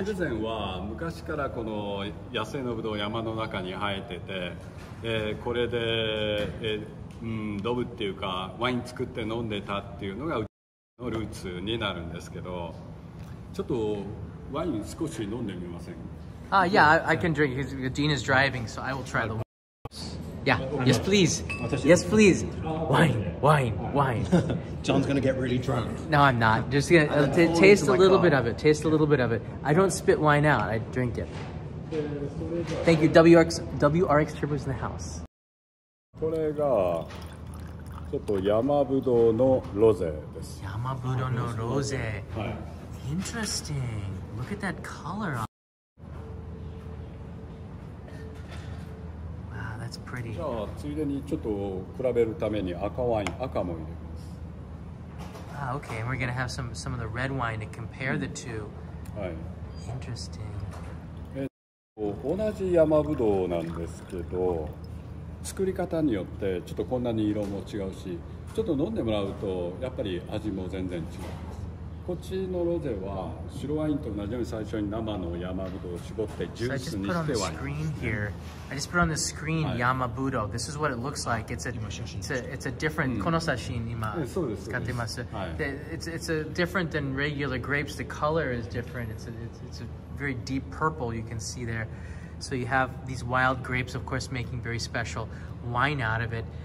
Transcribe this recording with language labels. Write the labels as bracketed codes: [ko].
[ja] ここ、ヒルゼンは昔からこの野生のブドウ山の中に生えてて、これで、ドブっていうかワイン作って飲んでたっていうのがうちのルーツになるんですけど、ちょっとワイン少し飲んでみません [en] か?Yeah, I can drink. Dean is driving, so I will try the wine. Yeah, yes please. Yes please. Wine. John's gonna get really drunk. No, I'm not. Just gonna taste a little bit of it. Taste a little bit of it. I don't spit wine out, I drink it. Thank you, WRX Turbo's in the house. [ja] これが、 Yamabudo no rosé. Yamabudo no rosé. Interesting. [en] Look at that color. Wow, that's pretty. Okay, we're going to have some of the red wine to compare the two. Interesting. [ja] 同じ山ぶどうなんですけど、作り方によってちょっとこんなに色も違うし、ちょっと飲んでもらうとやっぱり味も全然違います。こっちのロゼは白ワインと同じように最初に生の山ぶどうを絞ってジュースにしてワイン。 [en] So、I just put on the screen here. I just put on the screen Yamabudo. This is what it looks like. It's a different、 [ja] うん、この写真今使ってます。はい、 [en] it's a different than regular grapes. The color is different. It's a very deep purple you can see there. So you have these wild grapes, of course, making very special wine out of it.